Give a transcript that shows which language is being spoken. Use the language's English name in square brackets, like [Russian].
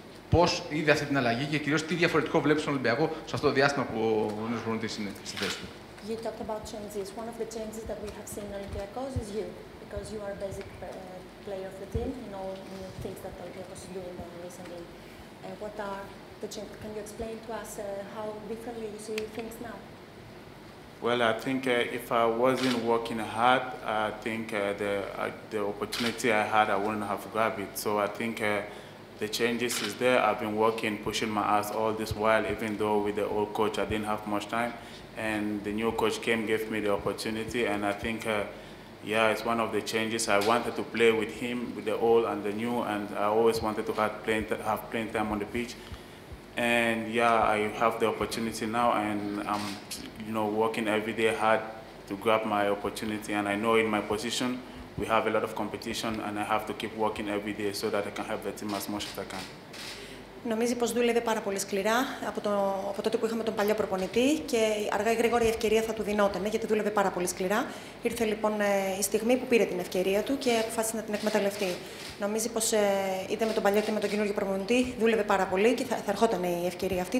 [Greek] Πώς είδε αυτή την αλλαγή και κυρίως τι διαφορετικό βλέπει στον Ολυμπιακό σε αυτό το διάστημα που ο νέος προπονητής είναι στη θέση του? [English] You talked about changes. One of the changes that we have seen in Olympiacos is you, because you are a basic player of the team in all new things that Olympiacos is doing recently. What are the changes? Can you explain to us how differently you see things now? Well, I think if I wasn't working hard, I think the opportunity I had, I wouldn't have grabbed it. So I think the changes is there. I've been working, pushing my ass all this while, even though with the old coach, I didn't have much time. And the new coach came, gave me the opportunity, and I think, yeah, it's one of the changes. I wanted to play with him, with the old and the new, and I always wanted to have playing time on the pitch. And yeah, I have the opportunity now, and I'm, you know, working every day hard to grab my opportunity. And I know in my position, we have a lot of competition, and I have to keep working every day so that I can help the team as much as I can. [Greek] Νομίζει πως δούλευε πάρα πολύ σκληρά από τότε που είχαμε τον παλιό προπονητή και αργά ή γρήγορα η ευκαιρία θα του δινότανε, γιατί δούλευε πάρα πολύ σκληρά. Ήρθε λοιπόν η στιγμή που πήρε την ευκαιρία του και αποφάσισε να την εκμεταλλευτεί. Νομίζει πως είτε με τον παλιό είτε με τον καινούργιο προπονητή δούλευε πάρα πολύ και θα ερχόταν η ευκαιρία αυτή.